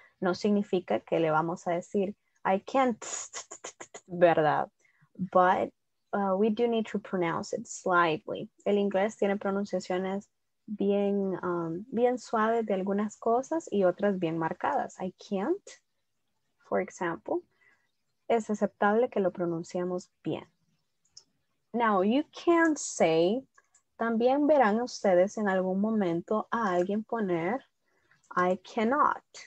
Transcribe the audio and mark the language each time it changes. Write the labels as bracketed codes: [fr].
[es] No significa que le vamos a decir, [en] I can't, [es] ¿verdad? [en] But we do need to pronounce it slightly. [es] El inglés tiene pronunciaciones bien, bien suaves de algunas cosas y otras bien marcadas. [en] I can't, for example. [es] es aceptable que lo pronunciamos bien. [en] Now, you can say, [es] también verán ustedes en algún momento a alguien poner, [en] I cannot.